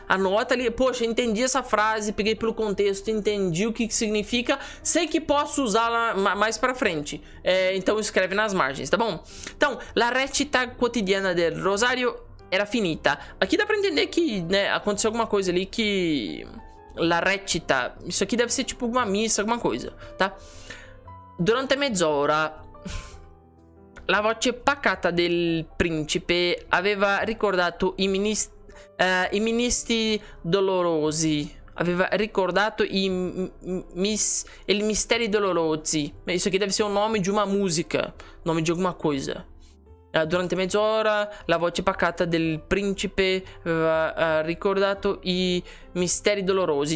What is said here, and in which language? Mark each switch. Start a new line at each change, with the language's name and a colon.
Portuguese: Anota ali, poxa, entendi essa frase, peguei pelo contexto, entendi o que significa, sei que posso usá-la mais pra frente. Então escreve nas margens, tá bom? Então,
Italian: la recita quotidiana del Rosario era finita.
Portuguese: Aqui dá pra entender que, né, aconteceu alguma coisa ali que...
Italian: La recita,
Portuguese: isso aqui deve ser tipo uma missa, alguma coisa, tá?
Italian: Durante mezz'ora, la voce pacata del principe aveva ricordato i ministri dolorosi. Aveva ricordato i misteri dolorosi.
Portuguese: Isso aqui deve ser o nome de uma música, nome de alguma coisa.
Italian: Durante mezz'ora la voce pacata del principe aveva ricordato i misteri dolorosi.